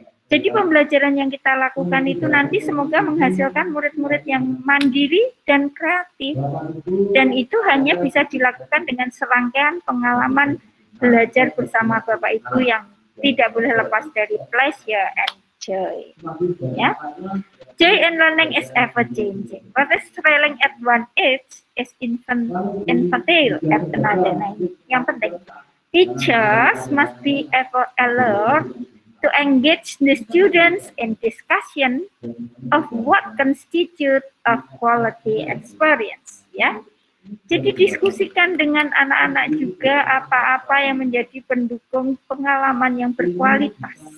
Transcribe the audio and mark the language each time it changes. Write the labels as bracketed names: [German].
[Indonesian] Jadi pembelajaran yang kita lakukan itu nanti semoga menghasilkan murid-murid yang mandiri dan kreatif. Dan itu hanya bisa dilakukan dengan serangkaian pengalaman belajar bersama Bapak Ibu yang tidak boleh lepas dari [English] pleasure and joy. Ya? Joy and learning is ever changing. What is trailing at one age is infantile at another. [Indonesian] Yang penting, [English] teachers must be ever alert to engage the students in discussion of what constitute a quality experience, ya. [Indonesian] Jadi diskusikan dengan anak-anak juga apa-apa yang menjadi pendukung pengalaman yang berkualitas.